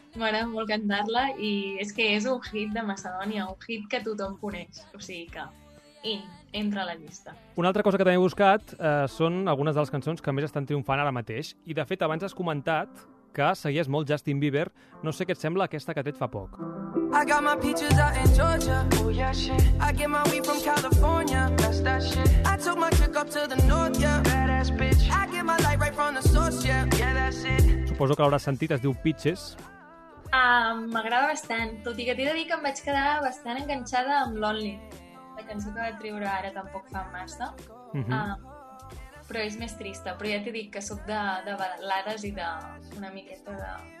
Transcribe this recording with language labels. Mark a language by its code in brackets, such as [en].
[ca] M'agrada molt cantar-la i és que és un hit de Macedònia, un hit que tothom coneix, o sigui que entra a la llista. Una altra cosa que també he buscat són algunes de les cançons que més estan triomfant ara mateix i de fet abans has comentat que seguies molt Justin Bieber. No sé què et sembla aquesta que ha tret fa poc. [en] I got my peaches out in Georgia. Oh yeah, shit. I get my weed from California. That's that shit. I took my chick up to the north, yeah. Badass bitch. I get my light right from the source, yeah. Yeah, that's it. [ca] Suposo que l'hauràs sentit, es diu Peaches. M'agrada bastant, tot i que t'he de dir que em vaig quedar bastant enganxada amb Lonely, la cançó que va triure ara tampoc fa massa. Però és més trista, però ja t'he dit que sóc de balades i d'una miqueta de...